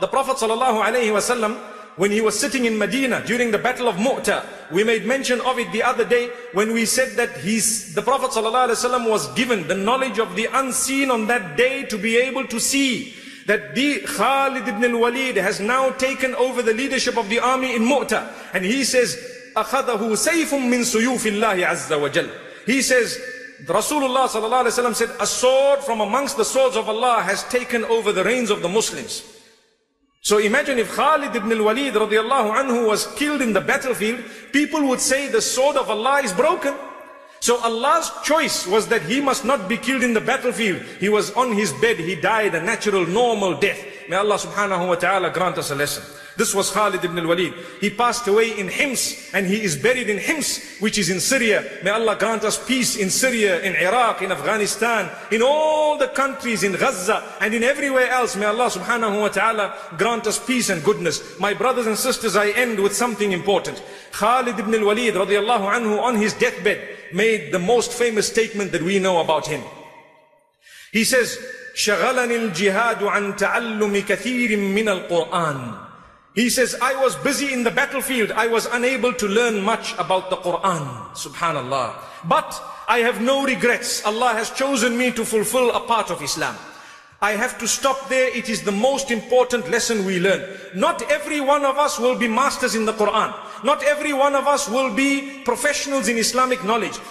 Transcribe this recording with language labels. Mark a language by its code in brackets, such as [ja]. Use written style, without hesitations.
[en] The Prophet sallallahu alayhi wa sallam, when he was sitting in Medina during the Battle of Mu'ta, we made mention of it the other day when we said that the Prophet sallallahu alayhi wa sallam was given the knowledge of the unseen on that day to be able to see that the Khalid ibn al-Walid has now taken over the leadership of the army in Mu'ta. And he says, [ar] أَخَذَهُ سَيْفٌ مِّن سُيُوفِ اللَّهِ عَزَّ وَجَلَّ. [en] He says, Rasulullah sallallahu alayhi wa sallam said, a sword from amongst the swords of Allah has taken over the reins of the Muslims. So imagine if Khalid ibn al-Walid radiallahu anhu was killed in the battlefield, people would say the sword of Allah is broken. So Allah's choice was that he must not be killed in the battlefield. He was on his bed, he died a natural, normal death. May Allah subhanahu wa ta'ala grant us a lesson. This was Khalid ibn al-Walid. He passed away in Hims and he is buried in Hims, which is in Syria. May Allah grant us peace in Syria, in Iraq, in Afghanistan, in all the countries, in Gaza and in everywhere else. May Allah subhanahu wa ta'ala grant us peace and goodness. My brothers and sisters, I end with something important. Khalid ibn al-Walid radiallahu anhu on his deathbed made the most famous statement that we know about him. He says, [ar] شغلني الجهاد عن تعلم كثير من القرآن. [en] He says, I was busy in the battlefield. I was unable to learn much about the Quran. Subhanallah. But I have no regrets. Allah has chosen me to fulfill a part of Islam. I have to stop there. It is the most important lesson we learn. Not every one of us will be masters in the Quran. Not every one of us will be professionals in Islamic knowledge.